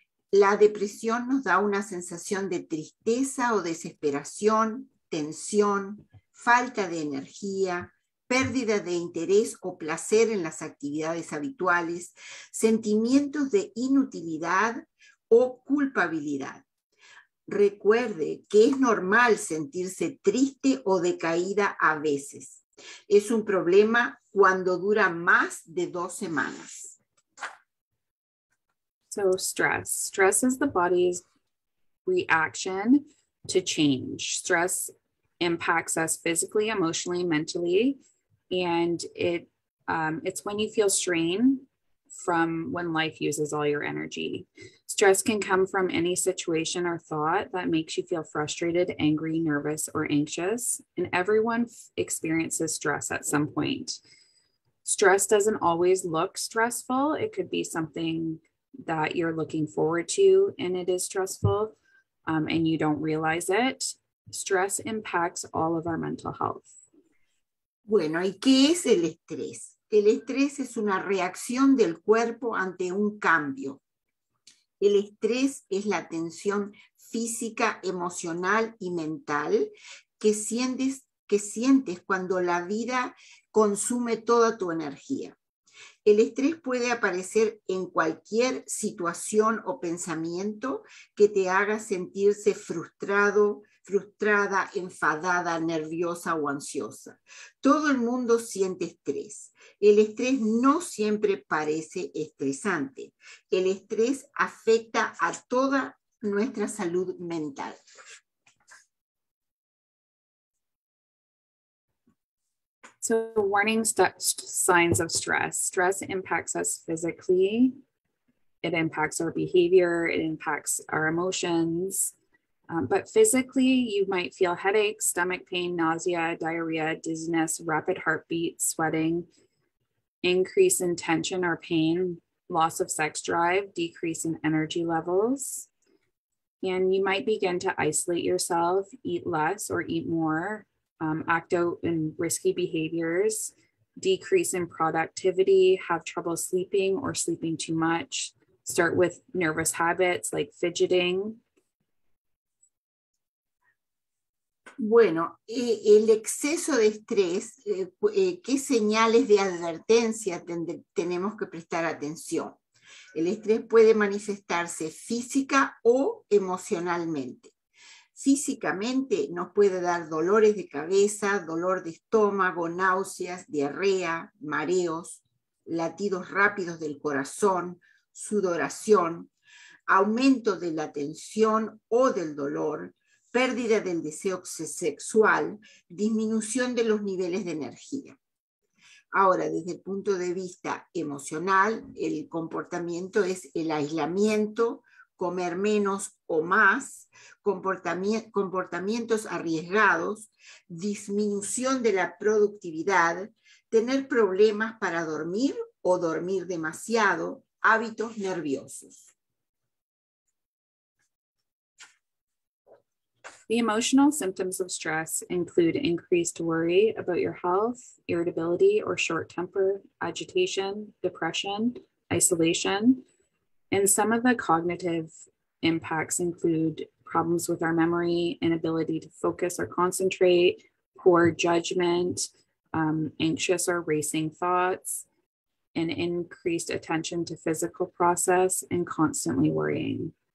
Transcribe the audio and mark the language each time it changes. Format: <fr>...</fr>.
<es>La depresión nos da una sensación de tristeza o desesperación, tensión, falta de energía, pérdida de interés o placer en las actividades habituales, sentimientos de inutilidad o culpabilidad. Recuerde que es normal sentirse triste o decaída a veces. Es un problema cuando dura más de 2 semanas.</es> <en>So stress. Stress is the body's reaction to change. Stress impacts us physically, emotionally, mentally, and it's when you feel strain from when life uses all your energy. Stress can come from any situation or thought that makes you feel frustrated, angry, nervous, or anxious, and everyone experiences stress at some point. Stress doesn't always look stressful. It could be something that you're looking forward to and it is stressful, and you don't realize it. Stress impacts all of our mental health.</en> <es>Bueno, ¿y qué es el estrés? El estrés es una reacción del cuerpo ante un cambio. El estrés es la tensión física, emocional y mental que sientes cuando la vida consume toda tu energía. El estrés puede aparecer en cualquier situación o pensamiento que te haga sentirse frustrado, frustrada, enfadada, nerviosa o ansiosa. Todo el mundo siente estrés. El estrés no siempre parece estresante. El estrés afecta a toda nuestra salud mental.</es> <en>So, warning signs of stress. Stress impacts us physically. It impacts our behavior. It impacts our emotions. But physically, you might feel headaches, stomach pain, nausea, diarrhea, dizziness, rapid heartbeat, sweating, increase in tension or pain, loss of sex drive, decrease in energy levels. And you might begin to isolate yourself, eat less or eat more, act out in risky behaviors, decrease in productivity, have trouble sleeping or sleeping too much, start with nervous habits like fidgeting.</en> <es>Bueno, el exceso de estrés, ¿qué señales de advertencia tenemos que prestar atención? El estrés puede manifestarse física o emocionalmente. Físicamente nos puede dar dolores de cabeza, dolor de estómago, náuseas, diarrea, mareos, latidos rápidos del corazón, sudoración, aumento de la tensión o del dolor, pérdida del deseo sexual, disminución de los niveles de energía. Ahora, desde el punto de vista emocional, el comportamiento es el aislamiento, comer menos o más, comportamientos arriesgados, disminución de la productividad, tener problemas para dormir o dormir demasiado, hábitos nerviosos.</es> <en>The emotional symptoms of stress include increased worry about your health, irritability or short temper, agitation, depression, isolation, And some of the cognitive impacts include problems with our memory, inability to focus or concentrate, poor judgment, anxious or racing thoughts, and increased attention to physical process and constantly worrying.</en>